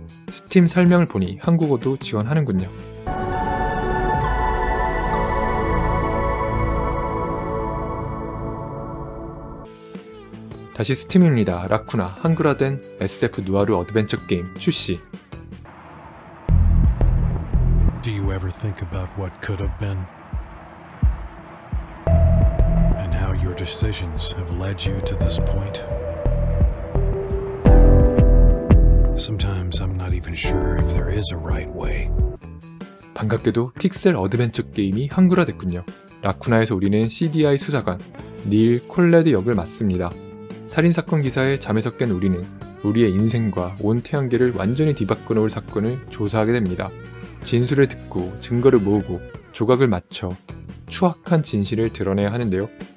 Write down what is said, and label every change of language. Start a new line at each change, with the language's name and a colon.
Korean: 스팀 설명을 보니 한국어도 지원하는군요. 다시 스팀입니다. 라쿠나 한글화된 SF 누아르 어드벤처 게임 출시.
English: Do you ever think about what could have been? And how your decisions have led you to this point? Sometimes I'm not even sure if there is a right way.
Korean: 반갑게도 픽셀 어드벤처 게임이 한글화됐군요. 라쿠나에서 우리는 CDI 수사관 닐 콜레드 역을 맡습니다. 살인사건 기사에 잠에서 깬 우리는 우리의 인생과 온 태양계를 완전히 뒤바꿔놓을 사건을 조사하게 됩니다. 진술을 듣고 증거를 모으고 조각을 맞춰 추악한 진실을 드러내야 하는데요.